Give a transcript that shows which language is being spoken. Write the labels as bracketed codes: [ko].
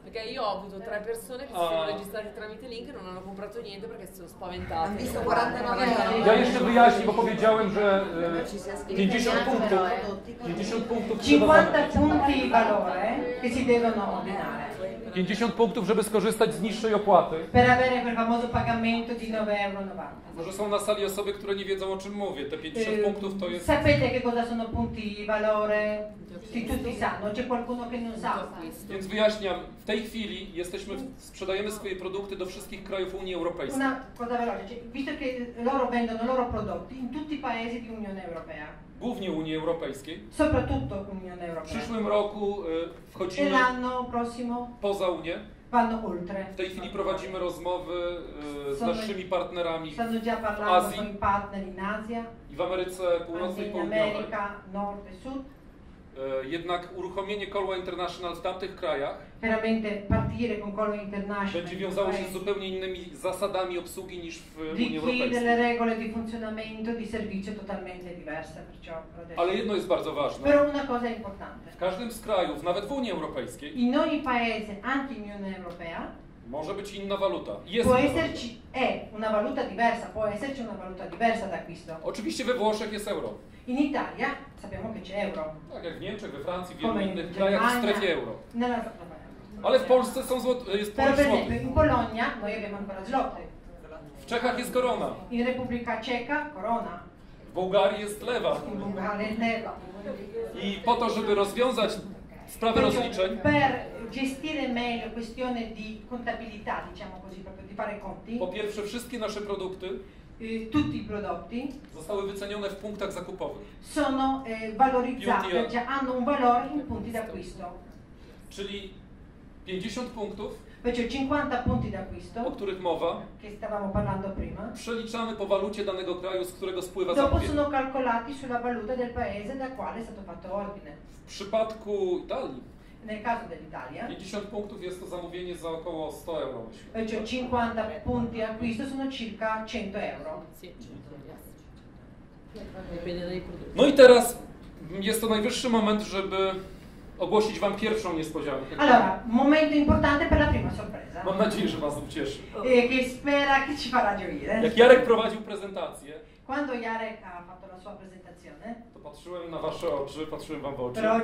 [it] Io ho avuto tre persone che si sono registrate tramite link e non hanno comprato niente perché si sono spaventate. Ho visto 49 euro. [pl] Ja jeszcze wyjaśnię, bo powiedziałem, że 50 punktów. 50 punktów. [it] 50 punti valore che si devono ordinare. [pl] 50 punktów, żeby skorzystać z niższej opłaty. [it] Per avere quel famoso pagamento di 9,90 euro. [pl] Może są na sali osoby, które nie wiedzą, o czym mówię. Te 50 punktów to jest... [it] Sapete che cosa sono punti di valore? Si tutti sanno, c'è qualcuno che non sa. [pl] Więc wyjaśniam, w tej chwili jesteśmy, sprzedajemy swoje produkty do wszystkich krajów Unii Europejskiej. [it] Una cosa veloce, cioè, visto che loro vendono loro prodotti in tutti i paesi di Unione Europea. [pl] Głównie Unii Europejskiej. [it] Soprattutto Unione Europea. [pl] W przyszłym roku wchodzimy. [it] L'anno prossimo. [pl] Poza Unię. [it] Vanno oltre. [pl] W tej chwili prowadzimy rozmowy z naszymi partnerami. [it] Stanno già parlando con i partner in Asia. [pl] I w Ameryce Północnej i Południowej. [it] America, Nord e Sud. [pl] Jednak uruchomienie Colway International w tamtych krajach [it] veramente partire con Colway International [pl] będzie wiązało się z zupełnie innymi zasadami obsługi niż w Unii Europejskiej. [it] Di chi delle regole di funzionamento di servizio totalmente diverse, perciò adesso. [pl] Ale jedno jest bardzo ważne. [it] Però una cosa importante. [pl] W każdym z krajów, nawet w Unii Europejskiej, [it] in ogni paese, anche in Unione Europea, [pl] może być inna waluta. Jest [it] può esserci una valuta diversa, può esserci una valuta diversa d'acquisto. [pl] Oczywiście we Włoszech jest euro. [it] In Italia sappiamo che c'è euro. [pl] Tak jak w Niemczech, we Francji, w wielu innych krajach w strefie euro. [it] Nella... [pl] Ale w Polsce są jest polski złoty. [it] In Polonia noi abbiamo ancora złoty. [pl] W Czechach jest korona. [it] In Republika Czeka korona. [pl] W Bułgarii jest lewa. [it] In Bułgarii lewa. [pl] I po to, żeby rozwiązać sprawę rozliczeń. [it] Per gestire meglio questione di contabilità, diciamo così, proprio di fare conti. [pl] Po pierwsze, wszystkie nasze produkty. [it] Tutti i prodotti [pl] zostały wycenione w punktach zakupowych. [it] Sono valorizzate, cioè hanno un valore in punti d'acquisto. [pl] Czyli 50 punktów. [it] Perciò 50 punti d'acquisto. [pl] O których mowa? [it] Che stavamo parlando prima. [pl] Przeliczamy po walucie danego kraju, z którego spływa zakup. [it] Dopo sono calcolati sulla valuta del paese da quale è stato fatto ordine. [pl] W przypadku Italii. [it] Nel caso dell'Italia. [pl] 50 punktów jest to zamówienie za około 100 euro. [it] Cioè 50 punti acquisto sono circa 100 euro. [pl] No i teraz jest to najwyższy moment, żeby ogłosić wam pierwszą niespodziankę. [it] Allora, momento importante per la prima sorpresa. [pl] Mam nadzieję, że was ucieszy. [it] Che spera che ci farà gioire. [pl] Jak Jarek prowadził prezentację. [it] Quando Jarek ha fatto la sua presentazione. [pl] To patrzyłem na wasze oczy, patrzyłem wam w oczy.